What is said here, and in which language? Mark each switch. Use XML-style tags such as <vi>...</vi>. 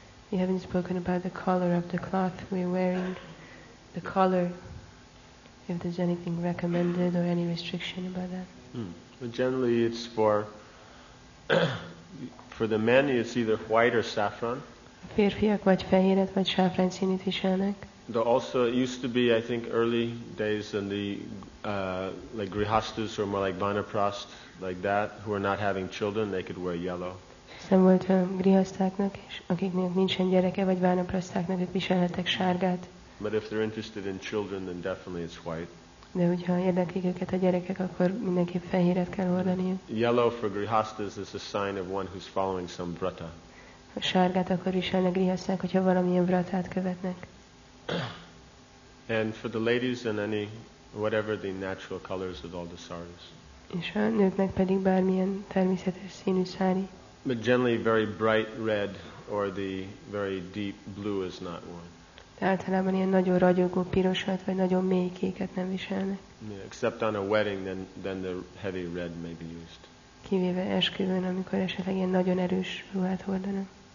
<en>We haven't spoken about the color of the cloth we're wearing. The color, if there's anything recommended or any restriction about that. But generally it's for for the men it's either white or saffron.</en> <hu>A férfiak vagy fehéret vagy sáfrán színűt viselnek.</hu> <en>There also it used to be, I think, early days in the like grihasthas or more like vanaprast, like that, who are not having children, they could wear yellow.</en> <hu>Szem volt a grihasztáknak, és akiknek nincsen gyereke, vagy vanaprasztáknak, ők viselhettek sárgát.</hu> <en>But if they're interested in children, then definitely it's white.</en> <hu>De hogyha érdeklik őket a gyerekek, akkor mindenképp fehéret kell hordaniuk.</hu> <en>Yellow for grihasthas is a sign of one who's following some vrata.</en> <hu>A sárgát akkor viselnek grihaszták, hogyha valamilyen vratát követnek.</hu> <en>And for the ladies and any, whatever the natural colors of all the saris.</en> <hu>És a nőknek pedig bármilyen természetes színű sári.</hu> <en>But generally very bright red or the very deep blue is not worn.</en> <hu>Általában ilyen nagyon ragyogó pirosat vagy nagyon mély kéket nem viselnek.</hu> <en>Yeah, except on a wedding, then the heavy red may be used.</en> <hu>Kivéve esküvőn, amikor esetleg ilyen nagyon erős ruhát hordanak.</hu>